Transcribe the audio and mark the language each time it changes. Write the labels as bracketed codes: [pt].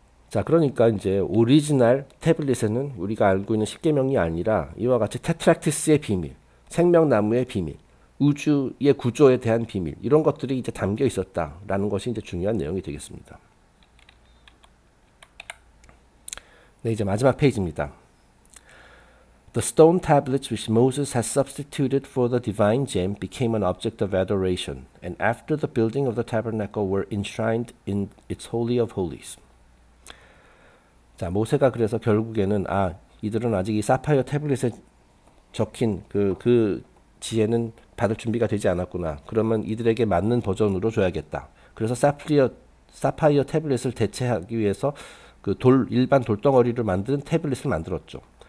[ko] 자, 그러니까 이제 오리지널 태블릿에는 우리가 알고 있는 십계명이 아니라 이와 같이 테트락티스의 비밀, 생명나무의 비밀, 우주의 구조에 대한 비밀, 이런 것들이 이제 담겨 있었다라는 것이 이제 중요한 내용이 되겠습니다. 네, 이제 마지막 페이지입니다. [en] The stone tablets which Moses has substituted for the divine gem became an object of adoration, and after the building of the tabernacle were enshrined in its holy of holies. [ko] 자, 모세가 그래서 결국에는, 이들은 아직 이 사파이어 태블릿에 적힌 그 지혜는 받을 준비가 되지 않았구나. 그러면 이들에게 맞는 버전으로 줘야겠다. 그래서 사파이어 태블릿을 대체하기 위해서 그 일반 돌덩어리를 만든 태블릿을 만들었죠.